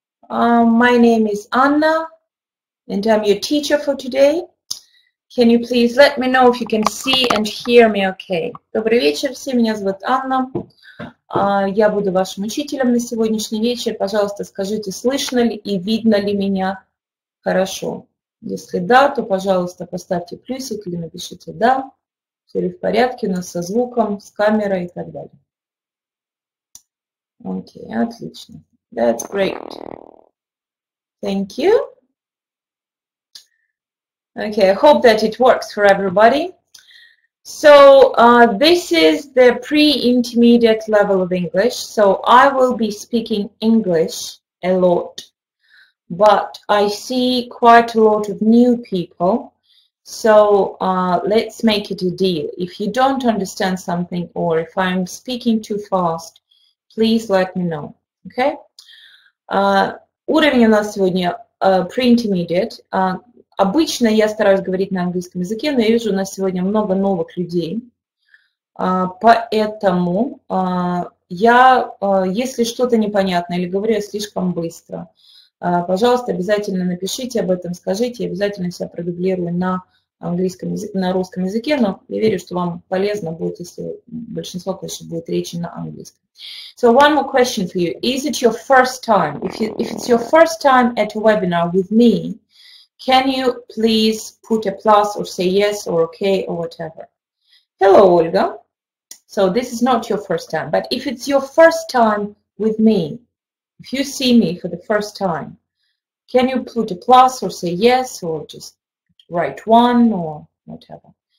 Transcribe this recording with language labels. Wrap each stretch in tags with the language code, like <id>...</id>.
<en>My name is Anna and I'm your teacher for today. Can you please let me know if you can see and hear me okay?</en> <ru>Добрый вечер, все, меня зовут Анна. Я буду вашим учителем на сегодняшний вечер. Пожалуйста, скажите, слышно ли и видно ли меня хорошо? Если да, то, пожалуйста, поставьте плюсик или напишите «да». Все ли в порядке у нас со звуком, с камерой и так далее. Окей, отлично.</ru> <en>That's great. Thank you. Okay, I hope that it works for everybody. So, this is the pre-intermediate level of English. So, I will be speaking English a lot. But I see quite a lot of new people. So, let's make it a deal. If you don't understand something or if I'm speaking too fast, please let me know, okay?</en> <ru>Уровень у нас сегодня pre-intermediate. Обычно я стараюсь говорить на английском языке, но я вижу, у нас сегодня много новых людей. Поэтому я, если что-то непонятно или говорю я слишком быстро, пожалуйста, обязательно напишите об этом, скажите, обязательно себя продублирую на английском языке, на русском языке, но я верю, что вам полезно будет, если большинство, конечно, будет речи на английском.</ru> <en>So one more question for you. Is it your first time? If it's your first time at a webinar with me, can you please put a plus or say yes or okay or whatever? Hello, Olga. So this is not your first time, but if it's your first time with me, if you see me for the first time, can you put a plus or say yes or just write one or whatever?</en>